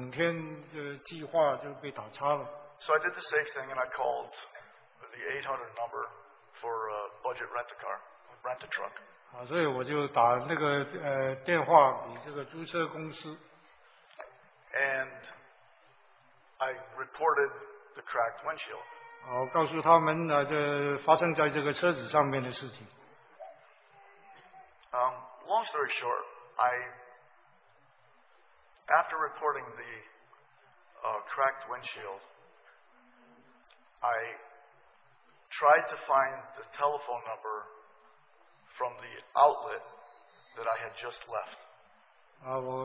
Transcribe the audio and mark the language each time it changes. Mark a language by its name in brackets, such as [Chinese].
[Chinese] 我实在担心，就是好像整天这计划就被打叉了。 [English] So I did the safe thing and I called the 800 number for a budget rental car, rent a truck. [Chinese] 所以我就打那个电话给这个租车公司。 [English] And I reported the cracked windshield. [Chinese] 告诉他们这发生在这个车子上面的事情。 [English] Long story short, after reporting the cracked windshield, I tried to find the telephone number from the outlet that I had just left.